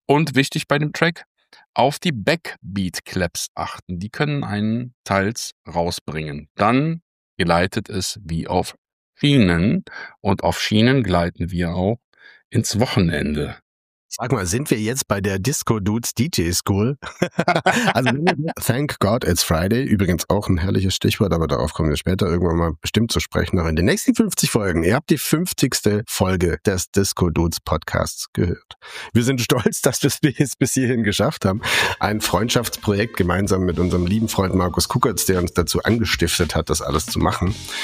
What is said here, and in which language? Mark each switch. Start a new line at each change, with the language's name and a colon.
German: Und wichtig bei dem Track? Auf die Backbeat-Claps achten. Die können einen teils rausbringen. Dann gleitet es wie auf Schienen. Und auf Schienen gleiten wir auch ins Wochenende. Sag mal, sind wir jetzt bei der Disco Dudes DJ School?
English: Also, thank God it's Friday.
German: Übrigens auch ein herrliches Stichwort, aber darauf kommen wir später irgendwann mal bestimmt zu sprechen. Noch in den nächsten 50 Folgen. Ihr habt die 50. Folge des Disco Dudes Podcasts gehört. Wir sind stolz, dass wir es bis hierhin geschafft haben. Ein Freundschaftsprojekt gemeinsam mit unserem lieben Freund Markus Kuckertz, der uns dazu angestiftet hat, das alles zu machen.